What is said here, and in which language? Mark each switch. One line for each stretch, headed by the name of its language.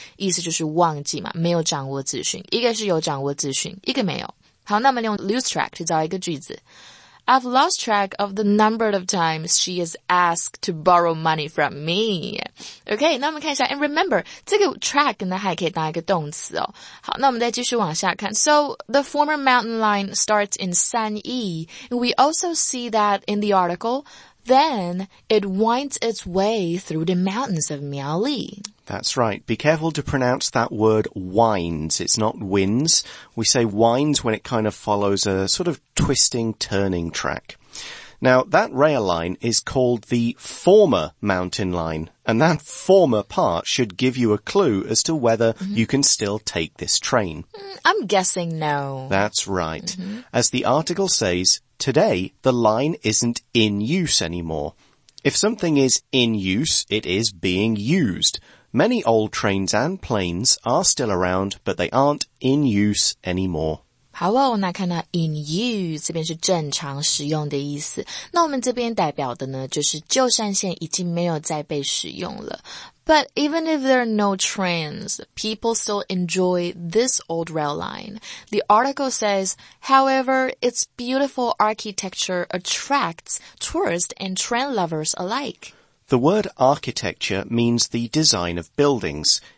Chinese: 意思就是忘记嘛，没有掌握资讯。一个是有掌握资讯，一个没有。好，那我们用
English: lose track
Chinese: 去造一个句子。
English: I've lost track of the number of times she has asked to borrow money from me. OK,
Chinese: 那我们看一下。
English: And remember,
Chinese: 这个 track 呢还可以当一个动词哦。好，那我们再继续往下看。
English: So, the former mountain line starts in San Yi. We also see that in the article. Then, it winds its way through the mountains of Miaoli. That's right. Be careful to pronounce that word winds. It's not winds. We say winds when it kind of follows a sort of twisting, turning track. Now, that rail line is called the former mountain line. And that former part should give you a clue as to whether you can still take this train. I'm guessing no. That's right. Mm-hmm. As the article says, today the line isn't in use anymore. If something is in use, it is being used. Many old trains and planes are still around, but they aren't in use anymore.
Chinese: 好哦，那看到 in use 这边是正常使用的意思，那我们这边代表的呢就是旧山线已经没有再被使用了。
English: But even if there are no trains, people still enjoy this old rail line. The article says, however, its beautiful architecture attracts tourists and train lovers alike. The word architecture means the design of buildings.